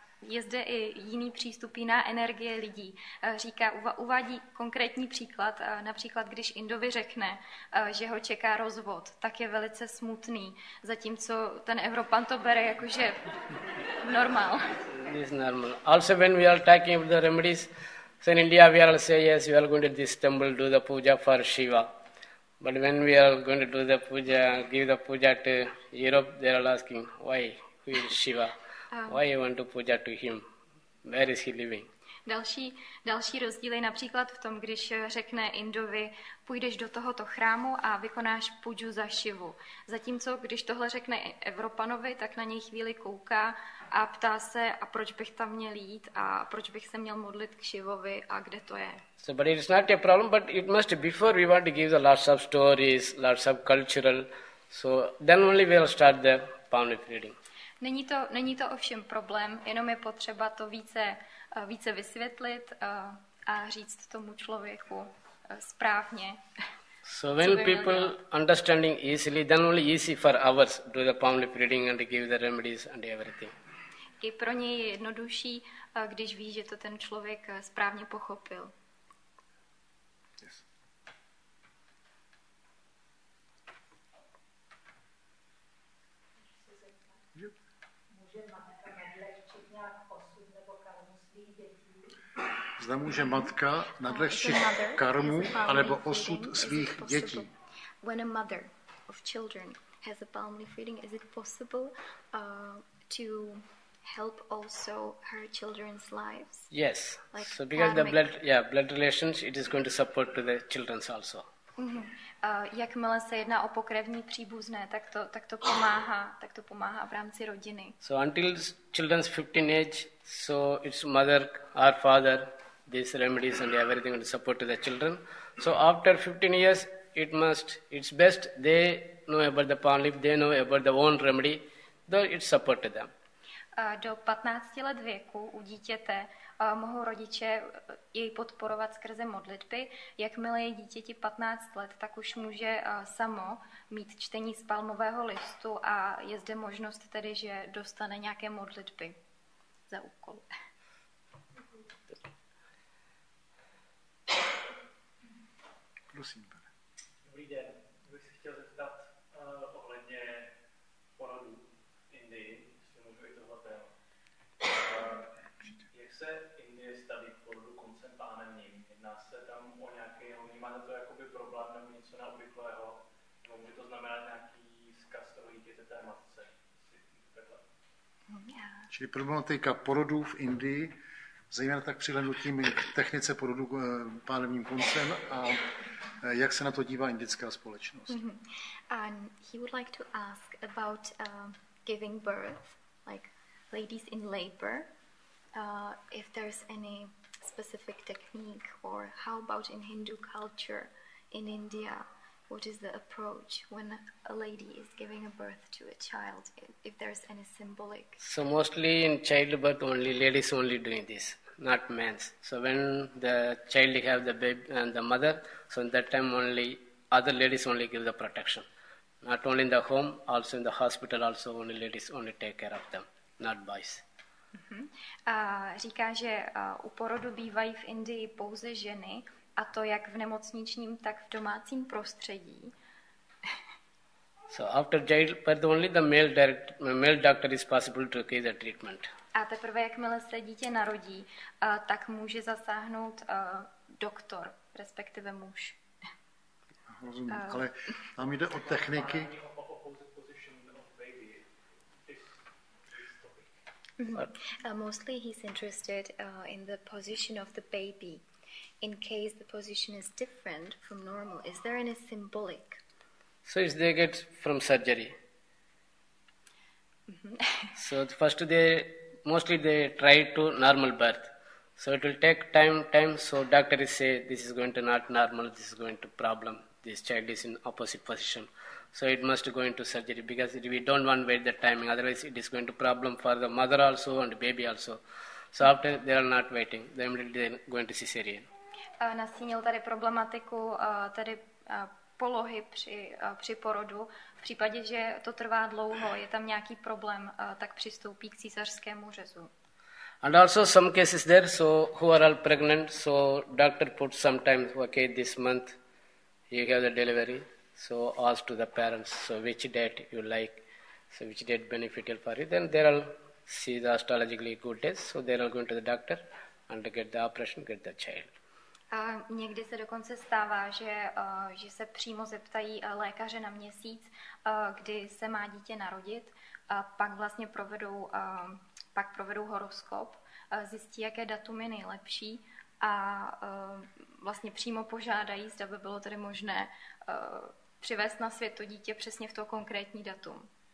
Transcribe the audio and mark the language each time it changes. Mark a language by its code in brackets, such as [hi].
[cs] Je zde i jiný přístup, jiná energie lidí. Říká, uvádí konkrétní příklad, například když Indovi řekne, že ho čeká rozvod, tak je velice smutný, zatímco ten Evropan to bere jakože normál. [en] It's normal. Also when we are talking about the remedies, so in India we are saying yes, we are going to this temple, do the puja for Shiva. But when we are going to do the puja, give the puja to Europe, they are asking, why? Who is Shiva? Why you want to puja to him? Where is he living? [cs] Další rozdíl je například v tom, když řekne Indovi, půjdeš do tohoto chrámu a vykonáš puju za Šivu. Zatímco, když tohle řekne Evropanovi, tak na něj chvíli kouká a ptá se, a proč bych tam měl jít a proč bych se měl modlit k Šivovi a kde to je. [en] So, but it's not a problem, but it must, before we want to give the lots of stories, lots of cultural, so then only we'll start the palm leaf reading. [cs] Není to ovšem problém, jenom je potřeba to více vysvětlit a říct tomu člověku správně. [en] So when people understanding easily, then only easy for hours do the palm leaf reading and give the remedies and everything. [cs] I pro něj je jednodušší, když ví, že to ten člověk správně pochopil. Zda může matka nadlehčit karmu anebo osud svých dětí. [en] When a mother of children has a palm leaf reading, is it possible to help also her children's lives? Yes. Like so because the blood relations, it is going to support to the children's also. Mm-hmm. [cs] Jakmile se jedná o pokrevní příbuzné, tak to pomáhá v rámci rodiny. [en] So until children's 15 age, so it's mother or father, these remedies and everything to support to the children. So after 15 years, it's best they know about the palm leaf, they know about the own remedy, though it's support to them. [cs] Do 15 let věku u dítěte mohou rodiče jej podporovat skrze modlitby. Jakmile je dítěti 15 let, tak už může samo mít čtení z palmového listu a je zde možnost tedy, že dostane nějaké modlitby za úkol. Prosím, pane. Dobrý den, bych se chtěl zeptat ohledně porodu v Indii, jestli můžu i tohle téma. Jak se Indie staví porodu koncem pánevním? Jedná se tam o nějaké, vnímáte to jakoby problém nebo něco neobvyklého? Nebo může to znamenat nějaký vzkaz toho dítěte té matce? Takhle. Čili problematika porodů v Indii, zejména tak přihlednutím k technice porodu pálevním koncem a jak se na to dívá indická společnost. [en] He would like to ask about giving birth, like ladies in labor, if there's any specific technique, or how about in Hindu culture in India, what is the approach when a lady is giving a birth to a child, if there's any symbolic. So mostly in childbirth only, ladies only doing this, not men. So when the child have the baby and the mother, so in that time only, other ladies only give the protection. Not only in the home, also in the hospital, also only ladies only take care of them, not boys. [cs] Říká, že u porodu bývají v Indii pouze ženy, a to jak v nemocničním, tak v domácím prostředí. [en] So after childbirth only the male doctor is possible to give the treatment. [cs] A teprve jakmile se dítě narodí, tak může zasáhnout doktor, respektive muž. Rozumím, ale tam jde o techniky. [en] Mostly he's interested in the position of the baby. In case the position is different from normal, is there any symbolic? So if they get from surgery. So first they mostly they try to normal birth. So it will take time. So doctor is say this is going to not normal. This is going to problem. This child is in opposite position. So it must go into surgery because we don't want to wait the timing. Otherwise, it is going to problem for the mother also and baby also. So after they are not waiting, they immediately going to cesarean. [cs] Nastínil tady problematiku tady polohy při porodu. V případě, že to trvá dlouho, je tam nějaký problém, tak přistoupí k císařskému řezu. [en] And also some cases there, so who are all pregnant, so doctor puts sometimes, okay, this month you have the delivery. So ask to the parents, so which date you like, so which date beneficial for you. Then they all see the astrologically good days, so they all going to the doctor and get the operation, get the child. [cs] Někdy se dokonce stává, že se přímo zeptají lékaře na měsíc, kdy se má dítě narodit, a pak vlastně provedou horoskop, zjistí, jaké datum je nejlepší a vlastně přímo požádají, zda by bylo tedy možné přivést na svět to dítě přesně v to konkrétní datum.